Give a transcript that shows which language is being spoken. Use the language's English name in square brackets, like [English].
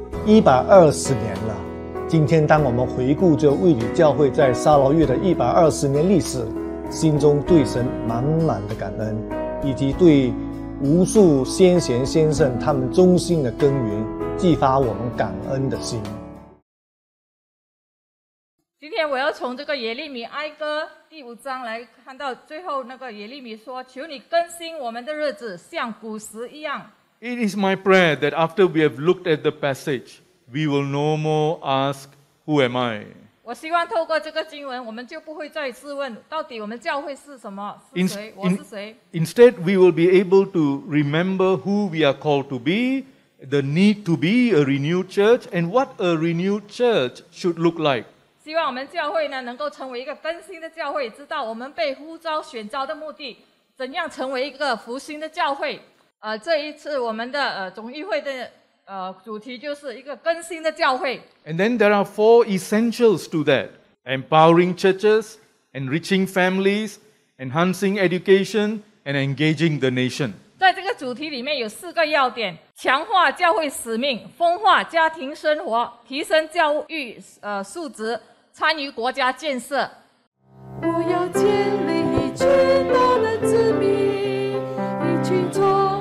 [Chinese] 120年了，今天当我们回顾着卫理教会在沙捞越的120年历史，心中对神满满的感恩，以及对无数先贤先圣他们忠心的耕耘，激发我们感恩的心。今天我要从这个耶利米哀歌第五章来看到最后那个耶利米说，求你更新我们的日子，像古时一样。 [English] It is my prayer that after we have looked at the passage, we will no more ask, "Who am I?" [Chinese] 我希望透过这个经文，我们就不会再质问到底我们教会是什么，是谁，我是谁。 [English] Instead, we will be able to remember who we are called to be, the need to be a renewed church, and what a renewed church should look like. [Chinese] 希望我们教会呢能够成为一个更新的教会，知道我们被呼召选召的目的，怎样成为一个复兴的教会。这一次我们的总议会的主题就是一个更新的教会。 [English] And then there are four essentials to that: empowering churches, enriching families, enhancing education, and engaging the nation. [Chinese] 在这个主题里面有四个要点：强化教会使命、丰化家庭生活、提升教育素质、参与国家建设。不要建立一群多能之民，一群从